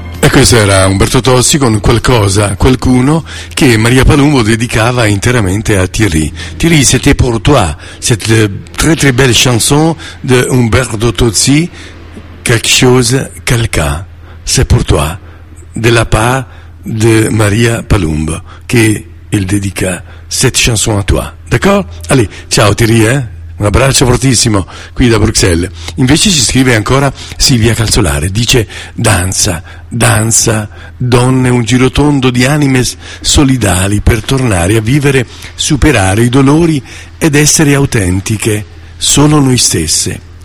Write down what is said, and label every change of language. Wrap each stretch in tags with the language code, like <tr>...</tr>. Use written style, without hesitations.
<it>Questo era Umberto Tozzi con Qualcosa, Qualcuno, che Maria Palumbo dedicava interamente a Thierry.</it> <fr>Thierry, c'était pour toi, cette très très belle chanson de Umberto Tozzi, quelque chose, quelqu'un, c'est pour toi, de la part de Maria Palumbo,</fr> <it>che il dedica</it> <fr>cette chanson a toi, d'accord?</fr> <it>Allez, ciao Thierry, eh? Un abbraccio fortissimo qui da Bruxelles. Invece ci scrive ancora Silvia Calzolare, dice: danza, danza, donne, un giro tondo di anime solidali per tornare a vivere, superare i dolori ed essere autentiche, solo noi stesse.</it>